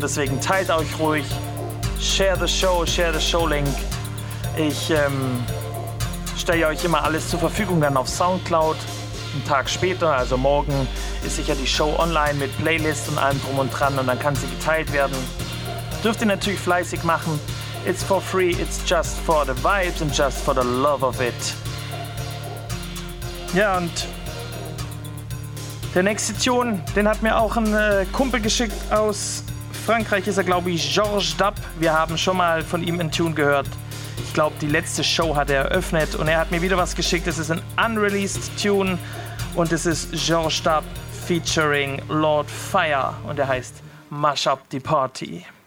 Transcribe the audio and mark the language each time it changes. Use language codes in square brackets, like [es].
[de] Deswegen teilt euch ruhig, [en] share the show link. [de] Ich stelle euch immer alles zur Verfügung dann auf Soundcloud. Einen Tag später, also morgen, ist sicher die Show online mit Playlist und allem drum und dran und dann kann sie geteilt werden. Dürft ihr natürlich fleißig machen. [en] It's for free, it's just for the vibes and just for the love of it. [de] Ja, und der nächste Tune, den hat mir auch ein Kumpel geschickt aus Frankreich, ist er glaube ich Georges Dapp. Wir haben schon mal von ihm einen Tune gehört. Ich glaube, die letzte Show hat er eröffnet und er hat mir wieder was geschickt. Es ist ein unreleased Tune und es ist Georges Dapp featuring Lord Fire und er heißt Mash Up the Party.